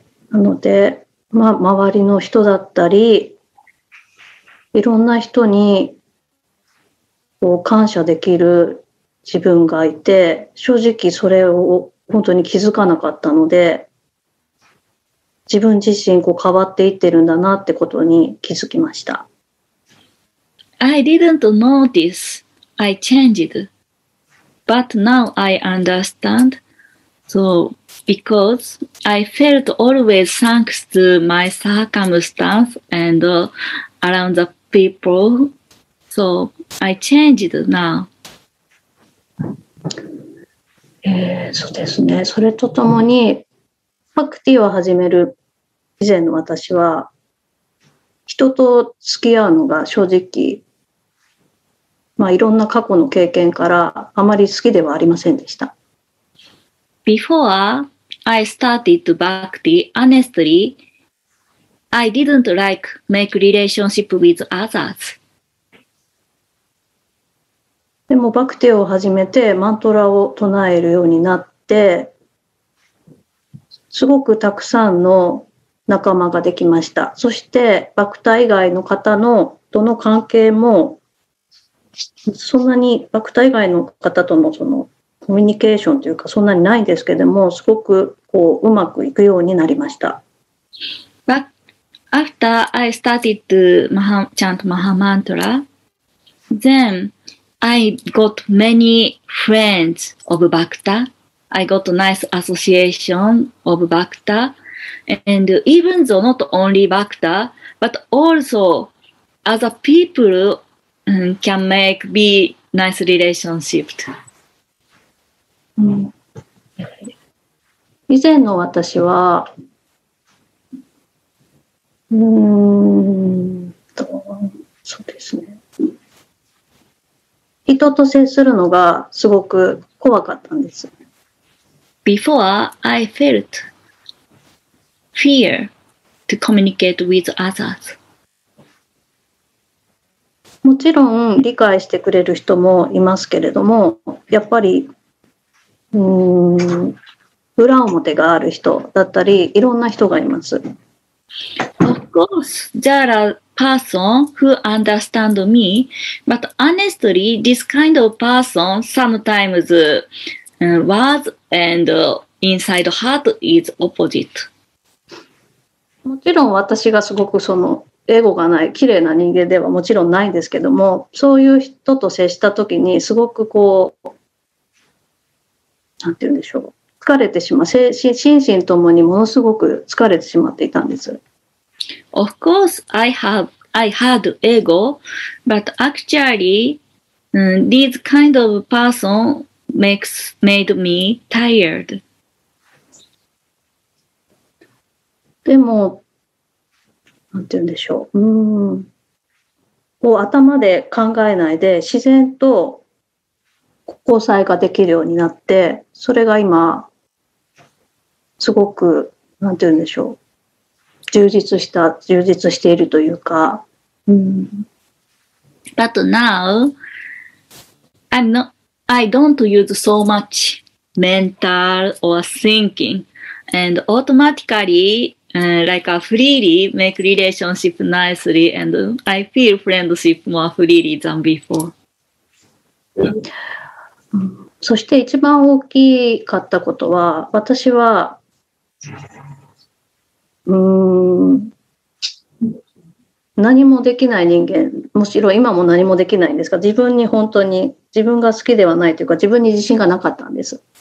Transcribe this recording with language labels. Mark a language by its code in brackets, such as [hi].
[ja] なので、まあ、周りの人だったり、いろんな人に、こう、感謝できる自分がいて、正直それを本当に気づかなかったので、自分自身、こう、変わっていってるんだなってことに気づきました。 [en] I didn't notice I changed, but now I understand, so,Because I felt always thanks to my circumstance and around the people, so I changed now. [ja] そうですね。それとともに、バクティを始める以前の私は、人と付き合うのが正直、まあいろんな過去の経験からあまり好きではありませんでした。 [en] Before,I started bhakti honestly. I didn't like make relationship with others. [ja] でもバクティを始めてマントラを唱えるようになって、すごくたくさんの仲間ができました。そしてバクタ以外の方のとの関係もそんなにバクタ以外の方とのそのコミュニケーションというかそんなにないんですけども、すごくこううまくいくようになりました。 [en] But after I started to chant Mahamantra, then I got many friends of Bhakta. I got a nice association of Bhakta. And even though not only Bhakta, but also other people can make be nice relationship. [ja] 以前の私は、そうですね。人と接するのがすごく怖かったんです。 [en] Before, I felt fear to communicate with others. [ja] もちろん理解してくれる人もいますけれども、やっぱり、裏表がある人だったり、いろんな人がいます。 [en] Of course, there are persons who understand me, but honestly, this kind of person sometimes words and inside heart is opposite. [ja] もちろん私がすごくそのエゴがない、綺麗な人間ではもちろんないんですけども、そういう人と接したときにすごくこう、なんて言うんでしょう。疲れてしまう。心身ともにものすごく疲れてしまっていたんです。 [en] Of course, I had ego, but actually, these kind of person made me tired. [ja] でも、なんて言うんでしょう。こう頭で考えないで自然と交際ができるようになって、それが今、すごく、なんて言うんでしょう。充実しているというか。 [en] But now, I don't use so much mental or thinking, and automatically, like a freely make relationship nicely, and I feel friendship more freely than before. [ja] そして一番大きかったことは、私は、何もできない人間、むしろ今も何もできないんですが、自分に本当に、自分が好きではないというか、自分に自信がなかったんです。